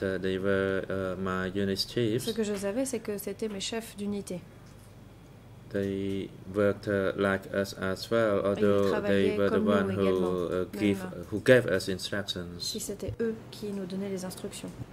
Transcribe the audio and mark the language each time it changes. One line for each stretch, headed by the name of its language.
English: I did not know, but what I knew is that they were my unit chiefs.
French: Ce que je savais, c'est que c'était mes chefs d'unité.
English: They worked like us as well, although they were the one who gave us instructions.
French: Si c'était eux qui nous donnaient les instructions.